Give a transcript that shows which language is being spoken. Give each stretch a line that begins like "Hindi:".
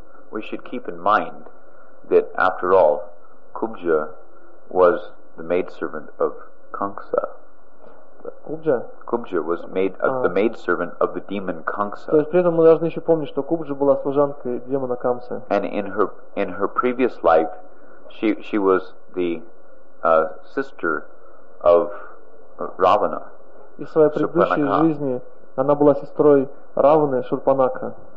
English: We should keep in mind that, after all, Kubja was the maidservant of Kamsa. Kubja was made the maidservant of the demon Kamsa.
Russian: То есть при этом мы должны еще помнить, что Кубджа была служанкой демона Камсы.
English: And in her previous life, she was the sister of Ravana.
Russian: И в своей предыдущей жизни она была сестрой Раваны Шурпанака.